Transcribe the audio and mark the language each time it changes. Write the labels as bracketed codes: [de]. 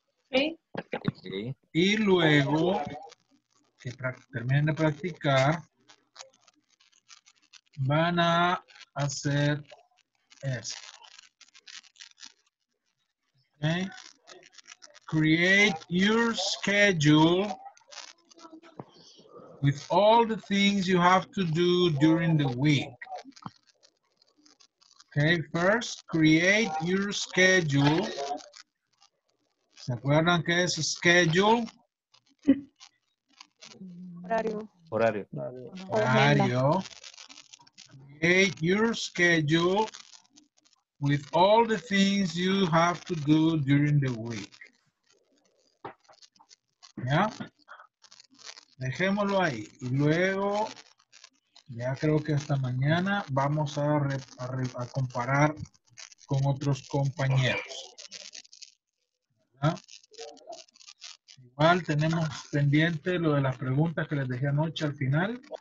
[en] Okay. [es] Y luego que terminen de practicar, van a hacer okay. [en] Create your schedule with all the things you have to do during the week. Okay, first, create your schedule. [es] ¿Se acuerdan qué es schedule? Horario. [en] Create your schedule with all the things you have to do during the week. [es] ¿Ya? Dejémoslo ahí. Y luego, ya creo que hasta mañana, vamos a comparar con otros compañeros. ¿Ya? Igual tenemos pendiente lo de las preguntas que les dejé anoche al final.